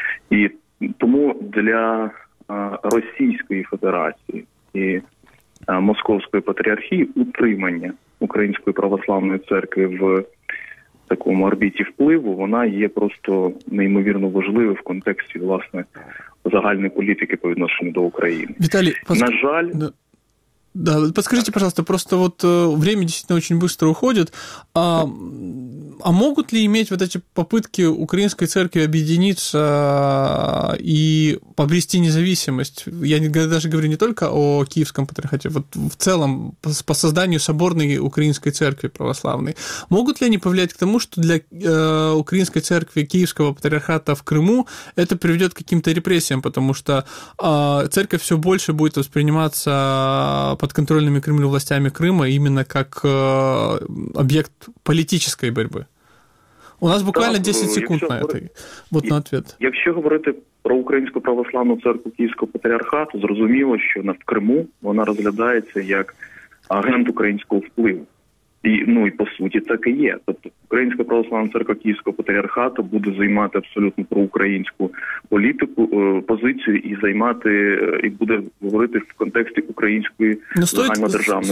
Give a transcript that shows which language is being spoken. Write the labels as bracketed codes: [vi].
[uk] І тому для Російської Федерації і Московської Патріархії утримання Української Православної Церкви в такому орбіті впливу, вона є просто неймовірно важливою в контексті, власне, загальної політики по відношенню до України. Віталій, на жаль... [ru] Да, подскажите, пожалуйста, просто вот время действительно очень быстро уходит, а могут ли иметь вот эти попытки украинской церкви объединиться и обрести независимость, я даже говорю не только о Киевском патриархате, вот в целом по созданию соборной украинской церкви православной, могут ли они повлиять к тому, что для украинской церкви Киевского патриархата в Крыму это приведет к каким-то репрессиям, потому что церковь все больше будет восприниматься под контрольными Кремлю властями Крыма именно как объект политической борьбы. У нас буквально 10 секунд на это. Вот на ответ. [uk] Якщо говорити про Українську православну церкву Київського патріархату, зрозуміло, що в Криму вона розглядається як агент українського впливу. І, ну, і по суті так і є. Тобто Українська православна церква Київського патріархату буде займати абсолютно проукраїнську політику, позицію і займати, і буде говорити в контексті української загальнодержавної